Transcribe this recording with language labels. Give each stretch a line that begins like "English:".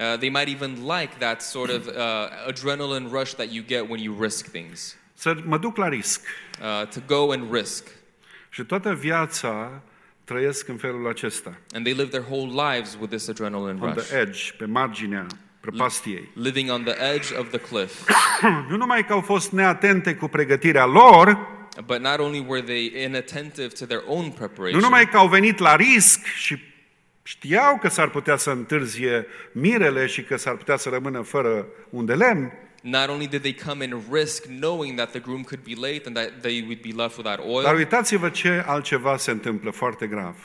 English: They might even like that sort of adrenaline rush that you get when you risk things.
Romanian: Să mă duc la risc.
English: To go and risk.
Romanian: Și toată viața trăiesc în felul acesta.
English: And they live their whole lives with this adrenaline rush. On the edge,
Romanian: pe marginea prăpastiei.
English: Living on the edge of the cliff.
Romanian: Nu numai că au fost neatente cu pregătirea lor,
English: but not only were they inattentive to their own preparation.
Romanian: Nu numai că au venit la risc și știau că s-ar putea să întârzie mirele și că s-ar putea să rămână fără un de lemn.
English: Not only did they come and risk knowing that the groom could be late and that they would be left without oil.
Romanian: Dar uitați-vă ce altceva se întâmplă foarte grav.